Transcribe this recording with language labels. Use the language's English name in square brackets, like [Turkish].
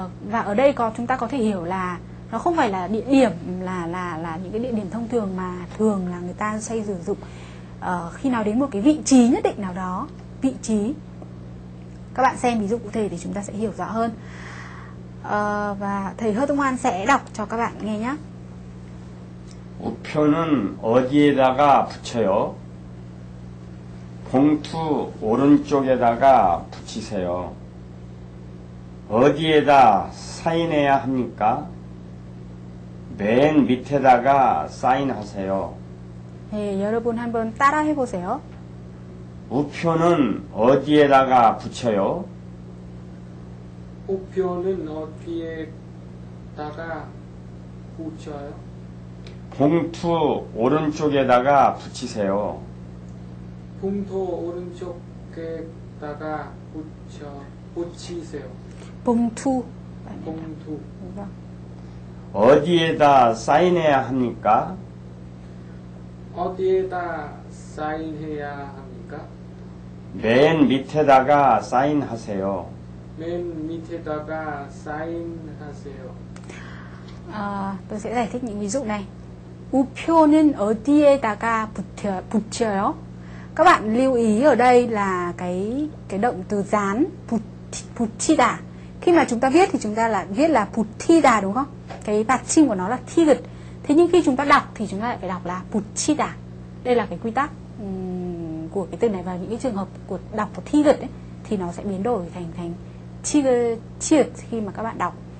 [Vietnamese] Và ở đây chúng ta có thể hiểu là nó không phải là địa điểm là những cái địa điểm thông thường, mà thường là người ta xây sử dụng khi nào đến một cái vị trí nhất định nào đó. Vị trí, các bạn xem ví dụ cụ thể thì chúng ta sẽ hiểu rõ hơn. Và thầy Hơ Tung Hoan sẽ đọc cho các bạn nghe nhé. [Korean] 우표는 어디에다가 붙여요? 봉투 오른쪽에다가 붙이세요. 어디에다 사인해야 합니까? 맨 밑에다가 사인하세요. 네, 여러분 한번 따라해 보세요. 우표는 어디에다가 붙여요? 우표는 어디에다가 붙여요? 봉투 오른쪽에다가 붙이세요. 봉투 오른쪽에다가 붙이세요. 봉투. 봉투. 어디에다 사인해야 합니까? 어디에다 사인해야 합니까? 맨 밑에다가 사인하세요. 맨 밑에다가 사인하세요. [Vietnamese] 아, tôi sẽ giải thích những ví dụ này. [Korean] 우표는 어디에다가 붙여요? [Vietnamese] Các bạn lưu ý ở đây là cái động từ dán, 붙이다. Khi mà chúng ta viết thì chúng ta là viết là 붙이다 đúng không? Cái phát âm của nó là 티긋. Thế nhưng khi chúng ta đọc thì chúng ta lại phải đọc là 붙이다. Đây là cái quy tắc của cái từ này, và những cái trường hợp của đọc của 티긋 ấy thì nó sẽ biến đổi thành 티긋 khi mà các bạn đọc.